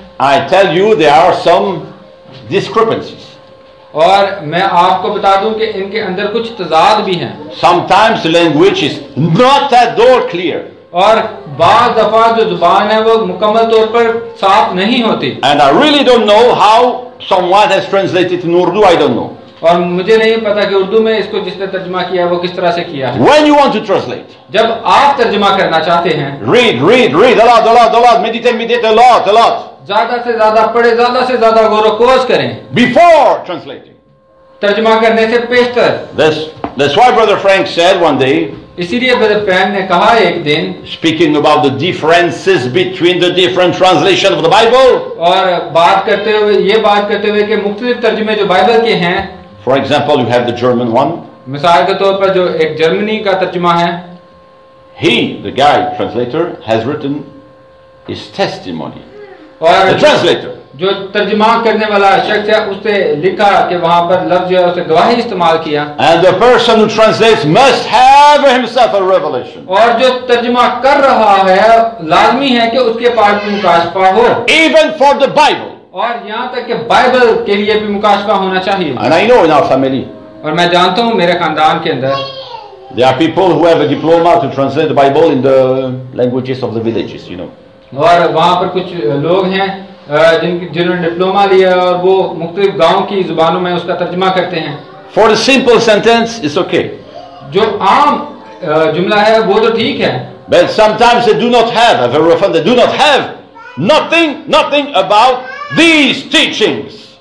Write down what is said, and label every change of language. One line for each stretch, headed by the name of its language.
English: I tell you there are some discrepancies.
Hindi: और मैं आपको बता दूं कि इनके अंदर कुछ तजाद भी हैं.
English: Sometimes language is not at all clear.
Hindi: और बाद दफा जो जुबान है वो मुकम्मल तौर पर साफ नहीं होती.
English: And I really don't know how someone has translated in Urdu. I don't know.
Hindi: और मुझे नहीं पता कि उर्दू में इसको जिसने तर्जमा किया है वो किस तरह से किया है.
English: When you want to translate,
Hindi: जब आप तर्जमा करना चाहते हैं,
English: read a lot, meditate a lot,
Hindi: ज्यादा से ज्यादा पढ़े, ज्यादा से ज्यादा गौर व खोज करें.
English: Before translating,
Hindi: तर्जमा करने से पेशतर.
English: That's why Brother Frank said one day.
Hindi: इसीलिए ब्रदर फ्रैंक ने कहा एक दिन,
English: speaking about the differences between the different translation of the Bible,
Hindi: और बात करते हुए कि मुख्तलिफ तर्जमे जो बाइबल के हैं.
English: For example you have the German one.
Hindi: मिसाल के तौर पर जो एक जर्मनी का तर्जमा है,
English: He the guy translator has written his testimony.
Hindi: और
English: the translator
Hindi: जो तर्जमा करने वाला शख्स है उसने लिखा कि वहां पर लफ्ज है, उसने गवाही इस्तेमाल किया.
English: And the person who translates must have himself a revelation.
Hindi: और जो तर्जमा कर रहा है लाजमी है कि उसके पास भी मुकाशफा हो.
English: Even for the Bible.
Hindi: और यहाँ तक कि बाइबल के लिए भी मुकाशफा होना चाहिए.
English: And I know in our family.
Hindi: और मैं जानता हूँ मेरे खानदान के अंदर.
English: There are people who have a diploma to translate the Bible in the languages of the villages, you know.
Hindi: और वहां पर कुछ लोग हैं जिन्होंने डिप्लोमा लिया और वो मुख्तलिफ गांव की जुबानों में उसका तर्जमा करते हैं.
English: For a simple sentence it's okay.
Hindi: जो आम जुमला है वो तो ठीक है.
English: But sometimes they do not have, very often they do not have nothing about these teachings.